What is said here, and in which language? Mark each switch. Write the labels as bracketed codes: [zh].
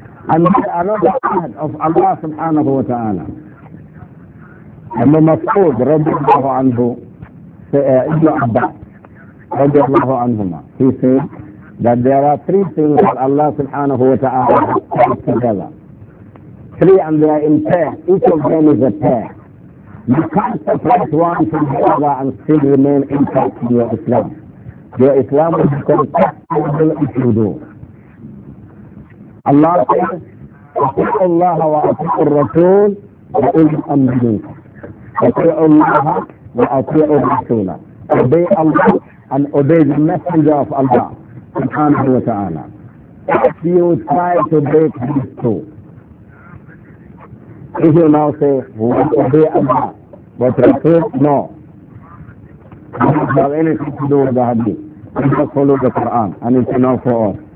[en] And this is another ayat of Allah subhanahu wa ta'ala. Ibn Mas'ud radiallahu anhu, Ibn Abbas radiallahu anhumah, he said that there are three things that Allah subhanahu wa ta'ala has put together. Three, and they are in pair. Each of them is a pair. You can't separate one from the other and still remain intact in your Islam. Your Islam will become possible if you do. [ar] Allah says, أَطِعُوا اللَّهَ وَأَطِعُوا الرَّسُولَ وَأُولِي الْأَمْرِ مِنْكُمْ أَطِعُوا اللَّهَ وَأَطِعُوا الرَّسُولَ [en] Obey Allah and obey the messenger of Allah subhanahu wa ta'ala. If you try to break these two, if you now say, we obey Allah, but Rasul, no. We don't have anything to do with the hadith. We just follow the Quran, and it's enough for us.